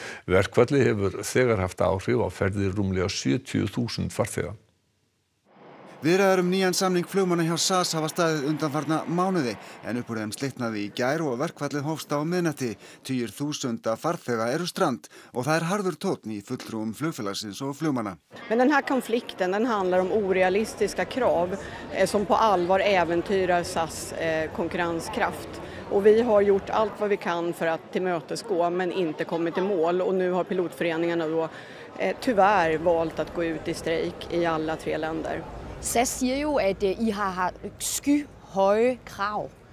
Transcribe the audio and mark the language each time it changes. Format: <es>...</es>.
<is>Verkfallið hefur þegar haft áhrif á ferðir rúmlega 70.000 farþega. Viðræður nýjan samning flugmanna hjá SAS hafa staðið undanfarna mánuði en uppur þeim slitnaði í gær og verkfallið hófst á miðnætti. 10.000 farþega eru strand og það harður tónn í fulltrúum flugfélagsins og flugmanna.</is> <sv>Men den här konflikten den handlar om orealistiska krav som på allvar äventyrar SAS konkurrenskraft. Och vi har gjort allt vad vi kan för att tillmötesgå men inte kommit till mål och nu har pilotföreningarna då tyvärr valt att gå ut i strejk i alla tre länder.</sv> <da>SAS siger jo, at I har skyhøje krav.</da>